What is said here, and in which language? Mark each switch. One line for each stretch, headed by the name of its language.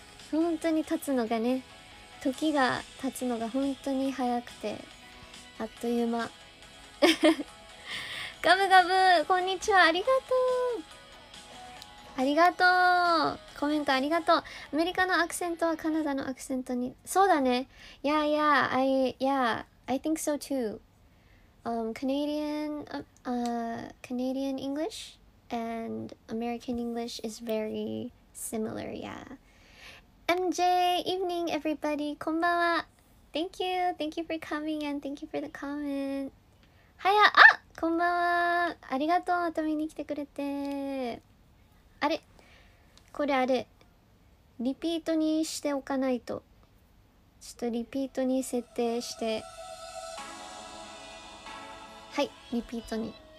Japanese: 本当に経つのがね、時が経つのが本当に早くて、あっという間ガブガブ、こんにちは、ありがとう、ありがとう、コメントありがとう。アメリカのアクセントはカナダのアクセントに、そうだね。
English: Yeah, yeah, I, yeah, I think so too. Canadian, Canadian English and American English is very similar, yeah. MJ, evening everybody,
Japanese: こんばんは。
English: Thank you for coming and thank you for the comment.
Japanese: はや、あ、こんばんは、ありがとう、遊びに来てくれて。あれ、これあれ、リピートにしておかないと。ちょっとリピートに設定して、はい、リピートに。